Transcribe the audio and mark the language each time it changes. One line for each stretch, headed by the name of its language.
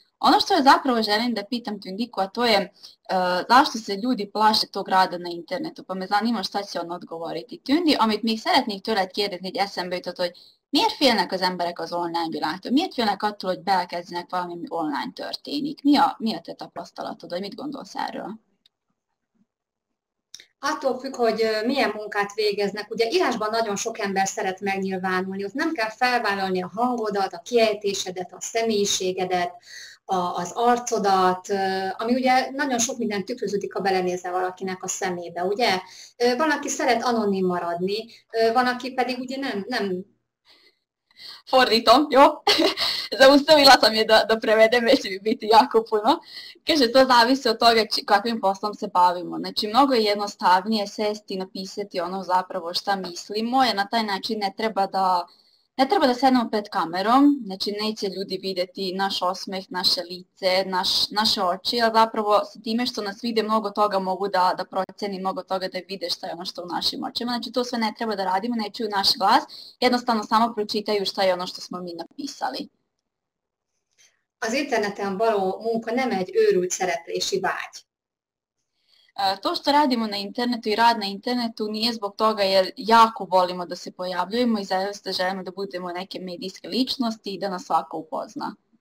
Serbian: Ono što ja zapravo želim da pitam Tindiku, a to je zašto se ljudi plaše tog rada na internetu, pa me zanima šta će on odgovoriti.
Hungarian: Tindi, om ett mycket särskilt turat kérdezni egy eszembe jutott, hogy miért félnek az emberek az online világtól? Miért félnek attól, hogy belekezdenek valami, ami online történik? Mi a te tapasztalatod, vagy mit gondolsz erről? Attól függ, hogy milyen munkát végeznek. Ugye írásban nagyon sok ember szeret megnyilvánulni, ott nem kell felvállalni a hangodat, a kiejtésedet, a személyiségedet, az arcodat, ami ugye nagyon sok minden tükröződik, ha belenézze valakinek a szemébe, ugye? Van, aki szeret anonim maradni, van, aki pedig ugye nem... Fordítom, jó?
Serbian: Zaustavila sam je da prevedem, već bi biti jako puno. Kaže, to zavisi od toga kakvim poslom se bavimo. Znači, mnogo je jednostavnije sesti i napisati ono zapravo šta mislimo, jer na taj način ne treba da sednemo pred kamerom, znači neće ljudi vidjeti naš osmeh, naše lice, naše oči, a zapravo sa time što nas vide mnogo toga mogu da proceni, mnogo toga da vide šta je ono što u našim očima. Znači to sve ne treba da radimo, ne čuju naš glas, jednostavno samo pročitaju šta je ono što smo mi napisali.
Hungarian: Az interneten való munka nem egy őrült szereplési vágy.
Serbian: To što radimo na internetu i rad na internetu nije zbog toga jer jako volimo da se pojavljujemo i zaista želimo da budemo neke medijske ličnosti i da nas svako upozna.